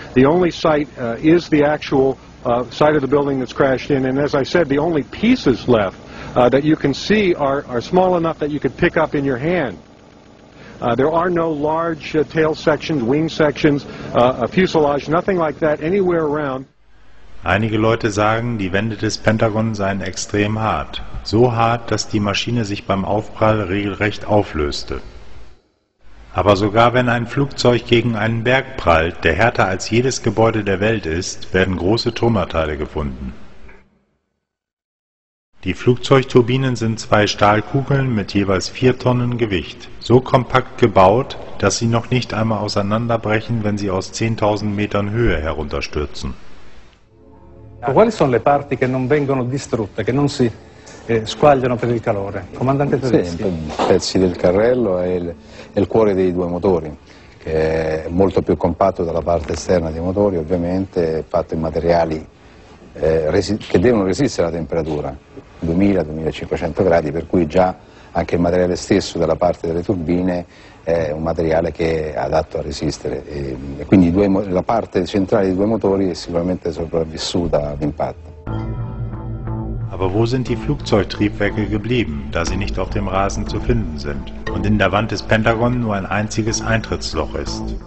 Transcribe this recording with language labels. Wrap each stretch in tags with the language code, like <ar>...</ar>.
<en>The only site is the actual site of the building that's crashed in, and as I said, the only pieces left that you can see are small enough that you could pick up in your hand. There are no large tail sections, wing sections, a fuselage, nothing like that anywhere around.</en> <de>Einige Leute sagen, die Wände des Pentagon seien extrem hart. So hart, dass die Maschine sich beim Aufprall regelrecht auflöste. Aber sogar wenn ein Flugzeug gegen einen Berg prallt, der härter als jedes Gebäude der Welt ist, werden große Trümmerteile gefunden. Die Flugzeugturbinen sind zwei Stahlkugeln mit jeweils 4 Tonnen Gewicht. So kompakt gebaut, dass sie noch nicht einmal auseinanderbrechen, wenn sie aus 10.000 Metern Höhe herunterstürzen.</de> <it>Quali sono le parti che non vengono distrutte, che non si squagliano per il calore? Comandante Tedeschi. Pezzi del carrello e il cuore dei due motori, che è molto più compatto della parte esterna dei motori, ovviamente fatto in materiali che devono resistere alla temperatura, 2000-2500 gradi, per cui già anche il materiale stesso della parte delle turbine è un materiale che è adatto a resistere. E quindi la parte centrale dei due motori è sicuramente sopravvissuta all'impatto.</it> <de>Aber wo sind die Flugzeugtriebwerke geblieben, da sie nicht auf dem Rasen zu finden sind und in der Wand des Pentagon nur ein einziges Eintrittsloch ist?</de>